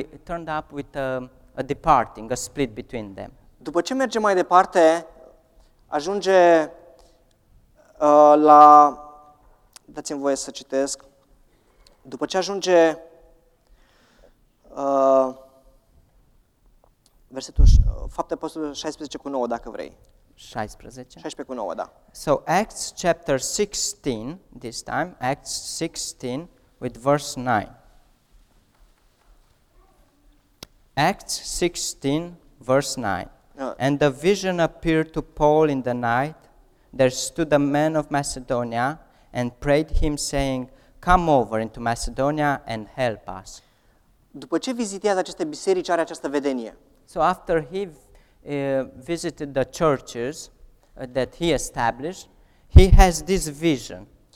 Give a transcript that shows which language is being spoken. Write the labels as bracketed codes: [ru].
[en] Turned up with a departing, a split between them. [ro] După ce merge mai departe, ajunge la, dați-mi voie să citesc, după ce ajunge versetul, Fapte Apostolilor 16 cu 9, dacă vrei. 16? 16 cu 9, da. [en] So, Acts chapter 16, this time, Acts 16 with verse 9. Acts 16, verse 9. And the vision appeared to Paul in the night. There stood a man of Macedonia and prayed him, saying, come over into Macedonia and help us. [ro] După ce vizitează aceste biserici, are această vedenie. [en] So after he visited the churches that he established, he has this vision.